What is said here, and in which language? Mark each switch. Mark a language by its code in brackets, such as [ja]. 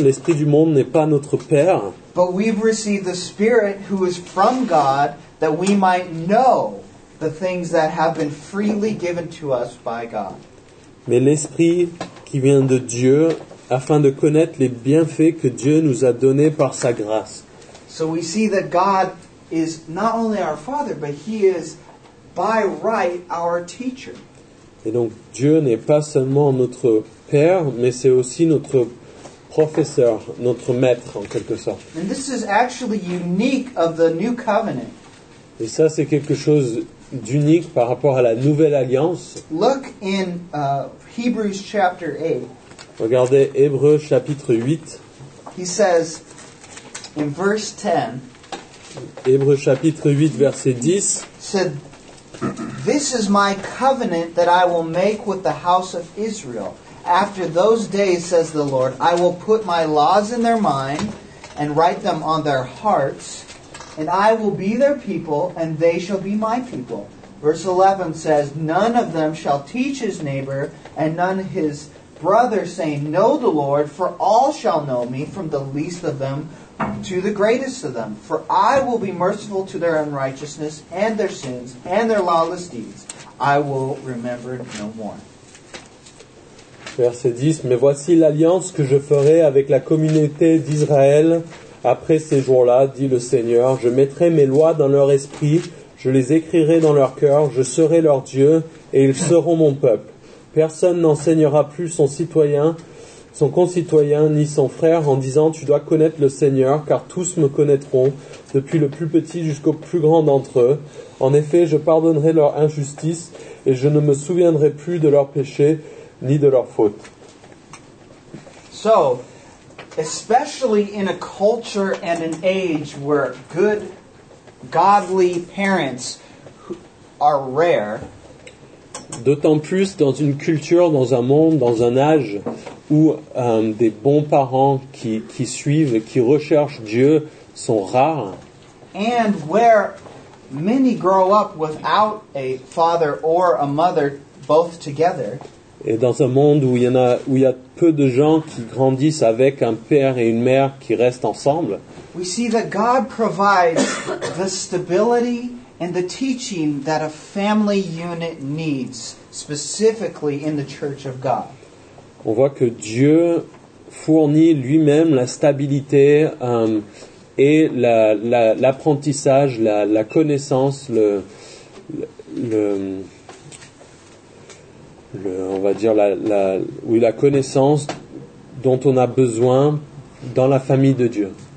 [fr] L'esprit du monde n'est pas notre père. [en] But we've received the spirit who is from God, that we might know the things that have been freely given to us by God. [fr] Mais l'esprit qui vient de Dieu afin de connaître les bienfaits que Dieu nous a donné par sa grâce. [en] So we see that God is not only our father, but he is by right our teacher. [fr] Et donc Dieu n'est pas seulement notre père, mais c'est aussi notre professeur, notre maître en quelque sorte. [en] And this is actually unique of the new covenant. [fr] Et ça c'est quelque chose d'unique par rapport à la nouvelle alliance. [en] Look in Hebrews chapter 8. [fr] Regardez Hébreux chapitre 8. [en] He says in verse 10. [fr] Hébreux chapitre 8 verset 10. [en] Said, this is my covenant that I will make with the house of Israel. After those days, says the Lord, I will put my laws in their mind and write them on their hearts. And I will be their people, and they shall be my people. Verse 11 says, none of them shall teach his neighbor, and none his brother, saying, know the Lord, for all shall know me, from the least of them to the greatest of them. For I will be merciful to their unrighteousness, and their sins, and their lawless deeds. I will remember no more. [fr] Verset 10, mais voici l'alliance que je ferai avec la communauté d'Israël. Après ces jours-là, dit le Seigneur, je mettrai mes lois dans leur esprit, je les écrirai dans leur cœur, je serai leur Dieu et ils seront mon peuple. Personne n'enseignera plus son concitoyen, ni son frère en disant « Tu dois connaître le Seigneur » car tous me connaîtront, depuis le plus petit jusqu'au plus grand d'entre eux. En effet, je pardonnerai leur injustice et je ne me souviendrai plus de leurs péchés ni de leurs fautes. [en] So, especially in a culture and an age where good, godly parents are rare. [fr] D'autant plus dans une culture, dans un monde, dans un âge où des bons parents qui suivent, qui recherchent Dieu sont rares. [en] And where many grow up without a father or a mother both together. [fr] Et dans un monde où il y a peu de gens qui grandissent avec un père et une mère qui restent ensemble, [en] we see that God provides the stability and the teaching that a family unit needs, specifically in the Church of God. [fr] On voit que Dieu fournit lui-même la stabilité et l'apprentissage, la connaissance, la connaissance dont on a besoin dans la famille de Dieu.